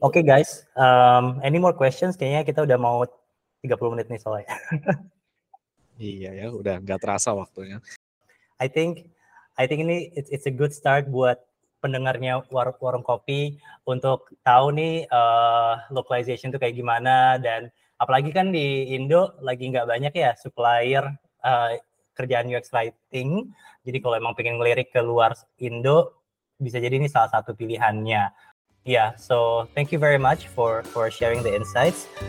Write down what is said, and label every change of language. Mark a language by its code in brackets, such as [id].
[en] Okay, guys, any more questions? [id] Kayaknya kita udah mau 30 menit nih soalnya. Iya ya, udah nggak terasa waktunya. [en] I think [id] ini [en] it's a good start [id] buat pendengarnya Warung Kopi untuk tahu nih localization tuh kayak gimana, dan apalagi kan di Indo lagi nggak banyak ya supplier kerjaan UX writing. Jadi kalau emang pengen ngelirik ke luar Indo, bisa jadi ini salah satu pilihannya. [en] Yeah, so thank you very much for sharing the insights.